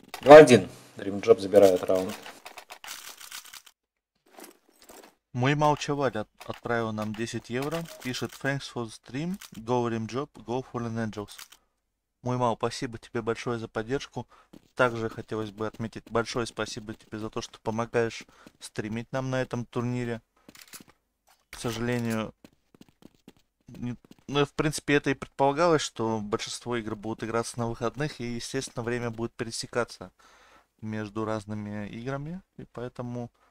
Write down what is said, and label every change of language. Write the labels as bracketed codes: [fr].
[ru] Один. Римджоп забирает раунд. Мой молчаваль отправил нам 10 евро. Пишет: [en] Thanks for the stream. Go Римджоп, go Fallen Angels. [ru] Мой мал, спасибо тебе большое за поддержку. Также хотелось бы отметить большое спасибо тебе за то, что помогаешь стримить нам на этом турнире. К сожалению, ну, в принципе, это и предполагалось, что большинство игр будут играться на выходных, и, естественно, время будет пересекаться между разными играми, и поэтому